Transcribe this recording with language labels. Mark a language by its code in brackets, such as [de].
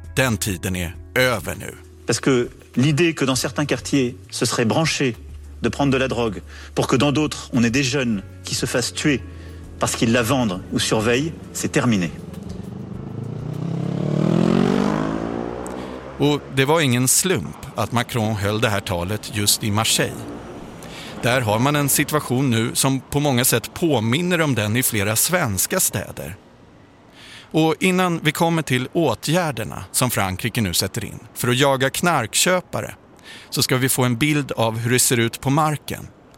[sv] Den tiden är över nu. [fr] Parce que l'idée que dans certains quartiers ce serait branché de prendre de la drogue pour que dans d'autres on ait des jeunes qui se fassent tuer parce qu'ils la vendent ou surveillent, c'est terminé. [sv] Och det var ingen slump att Macron höll det här talet just i Marseille. Där har man en situation nu som på många sätt påminner om den i flera svenska städer. Och innan vi kommer till åtgärderna som Frankrike nu sätter in för att jaga knarkköpare så ska vi få en bild av hur det ser ut på marken.